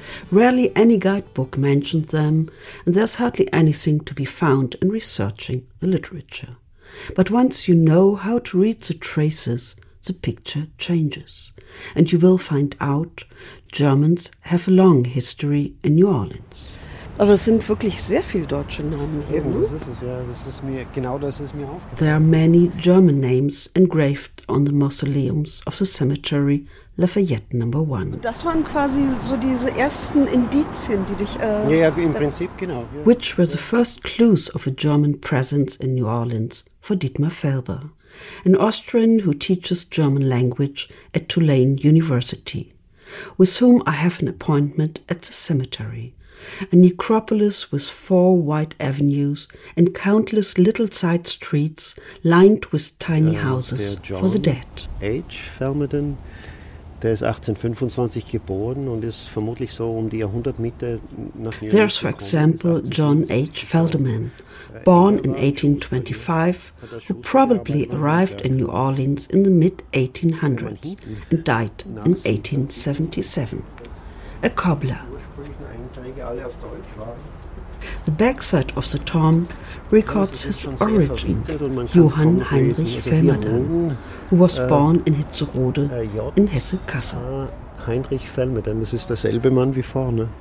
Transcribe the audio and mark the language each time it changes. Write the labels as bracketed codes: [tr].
[en] Rarely any guidebook mentions them, and there's hardly anything to be found in researching the literature. But once you know how to read the traces, the picture changes. And you will find out, Germans have a long history in New Orleans. [de] Aber es sind wirklich sehr viele deutsche Namen hier. Oh, das ist es, ja. Das ist mir, genau das ist mir aufgefallen. [en] There are many German names engraved on the mausoleums of the cemetery Lafayette No. 1. [de] Das waren quasi so diese ersten Indizien, die dich... Ja, im Prinzip, genau. Ja. [en] Which were the first clues of a German presence in New Orleans for Dietmar Felber, an Austrian who teaches German language at Tulane University, with whom I have an appointment at the cemetery. A necropolis with four wide avenues and countless little side streets lined with tiny houses for the dead. H. [de] Felmerden, der ist 1825 geboren und ist vermutlich so um die Jahrhundertmitte nach New [en] There's for example John H. Felderman, born in 1825, who probably arrived in New Orleans in the mid-1800s and died in 1877. A cobbler. The backside of the tomb records his origin, Johann Heinrich Felmerden, who was born in Hitzerode in Hesse-Kassel. [de] Heinrich Felmerden, das ist derselbe Mann wie vorne.